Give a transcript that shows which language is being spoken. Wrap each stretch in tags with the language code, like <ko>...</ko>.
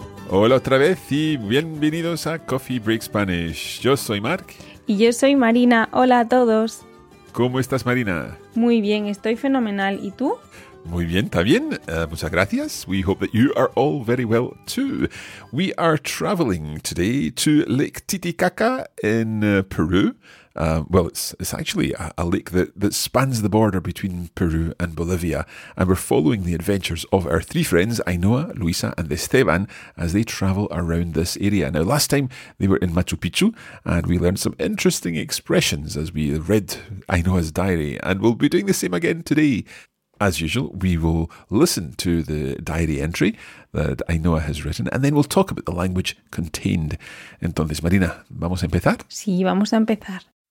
<es>Hola otra vez y bienvenidos a Coffee Break Spanish. Yo soy Marc. Y yo soy Marina. Hola a todos. ¿Cómo estás, Marina? Muy bien, estoy fenomenal. ¿Y tú? Muy bien, también. Muchas gracias.</es> <en>We hope that you are all very well too. We are traveling today to Lake Titicaca in Peru. It's actually a lake that spans the border between Peru and Bolivia. And we're following the adventures of our three friends, Ainhoa, Luisa and Esteban, as they travel around this area. Now, last time they were in Machu Picchu and we learned some interesting expressions as we read Ainhoa's diary. And we'll be doing the same again today. As usual, we will listen to the diary entry that Ainhoa has written and then we'll talk about the language contained.</en> <es>Entonces, Marina, ¿vamos a empezar? Sí, vamos a empezar.</es>